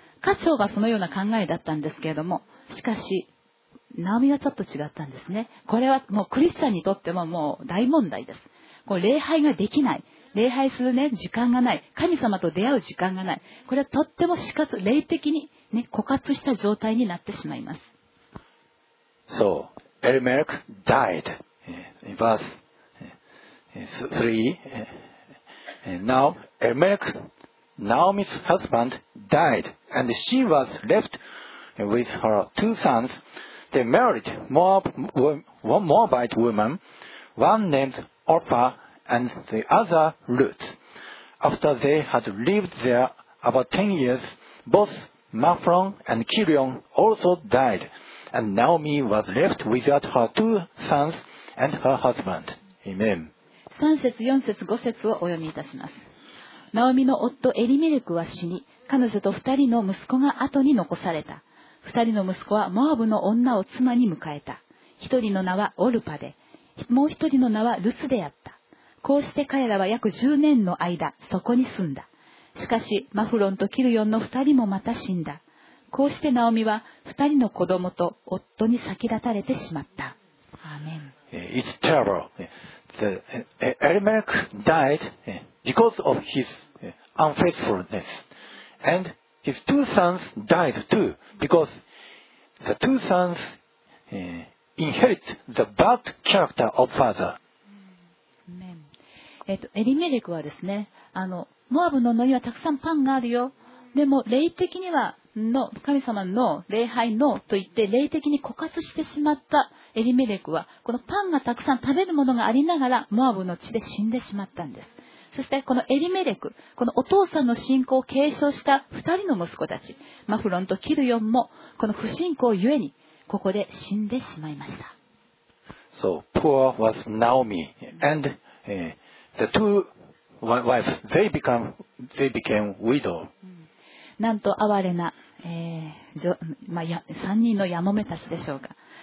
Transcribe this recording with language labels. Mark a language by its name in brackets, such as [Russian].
[Japanese] 家長がそのような考えだったんですけれども、しかしナオミはちょっと違ったんですね。これはもうクリスチャンにとってももう大問題です。こう礼拝ができない、礼拝する、ね、時間がない、神様と出会う時間がない、これはとっても死活霊的に、ね、枯渇した状態になってしまいます。そう [English] Elimelech died. In verse 3, now Elimelech, Naomi's husband, died, and she was left with her two sons. They married one Moabite woman, one named Orpah and the other Ruth. After they had lived there about 10 years, both Mahlon and Chilion also died. And Naomi was left without her two sons and her husband. Amen. [Japanese] 3節、4節、5節をお読みいたします。ナオミの夫エリメレクは死に、彼女と2人の息子が後に残された。 2人の息子はモアブの女を妻に迎えた。1人の名はオルパで、もう1人の名はルツであった。こうして彼らは約10年の間、そこに住んだ。しかし、マフロンとキルヨンの2人もまた死んだ。こうしてナオミは二人の子供と夫に先立たれてしまった。アーメン。 [English] It's terrible. The Elimelech died because of his unfaithfulness, and his two sons died too because the two sons inherit the bad character of father. Amen. [Japanese] エリメレクはですね、モアブの野にはたくさんパンがあるよ。でも霊的にはの神様の礼拝のと言って霊的に枯渇してしまったエリメレクは、このパンがたくさん食べるものがありながらモアブの地で死んでしまったんです。そしてこのエリメレク、このお父さんの信仰を継承した2人の息子たち、マフロンとキルヨンも、この不信仰ゆえに、ここで死んでしまいました。 [English] So, poor was Naomi, and、the two wives, they became widow. [Japanese] なんと哀れな、3人のヤモメたちでしょうか。